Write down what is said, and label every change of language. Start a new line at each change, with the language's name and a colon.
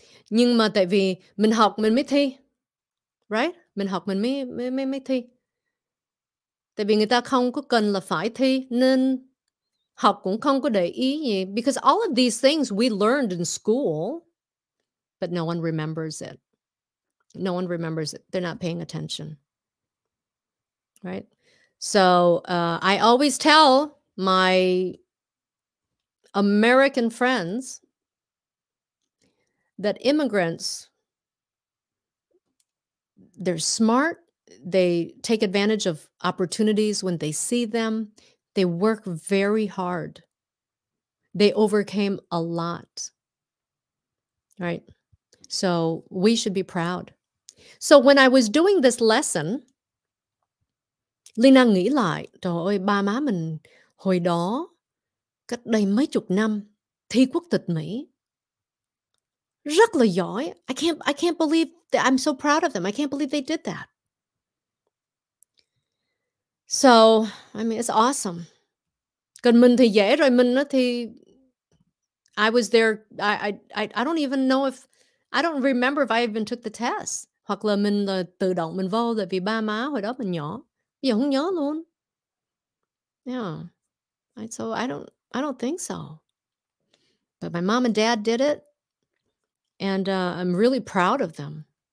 Vietnamese: Nhưng mà tại vì mình học mình mới thi.
English: Right?
Vietnamese: Mình học mình mới thi. Tại vì người ta không có cần là phải thi nên học cũng không có để ý gì.
English: Because all of these things we learned in school, but no one remembers it. No one remembers it. They're not paying attention. Right? So I always tell my American friends that immigrants, they're smart, they take advantage of opportunities when they see them, they work very hard, they overcame a lot, right? So we should be proud. So when I was doing this lesson,
Vietnamese: Leyna nghĩ lại, trời ơi, ba má mình hồi đó, cách đây mấy chục năm, thi quốc tịch Mỹ. Rất là giỏi.
English: I can't believe that. I'm so proud of them. I can't believe they did that. So, I mean, it's awesome.
Vietnamese: Còn mình thì dễ rồi, mình thì
English: I was there. I don't even know if I don't remember if I even took the test.
Vietnamese: Hoặc là mình là tự động mình vô tại vì ba má hồi đó mình nhỏ. Bây giờ không nhớ luôn.
English: Yeah. I don't think so. But my mom and dad did it. And I'm really proud of them.